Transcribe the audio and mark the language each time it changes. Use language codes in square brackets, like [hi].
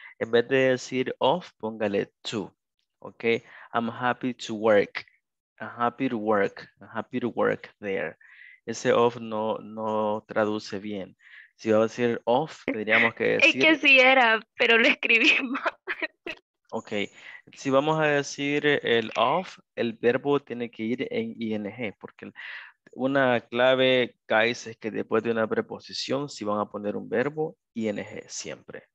[es] En vez de decir of, póngale to, okay? [en] I'm happy to work, I'm happy to work, I'm happy to work there. [es] Ese of no traduce bien. Si vamos a decir off, tendríamos que decir... Es que sí era, pero lo escribimos. Ok. Si vamos a decir el off, el verbo tiene que ir en ing. Porque una clave, guys, es que después de una preposición, si van a poner un verbo, ing siempre.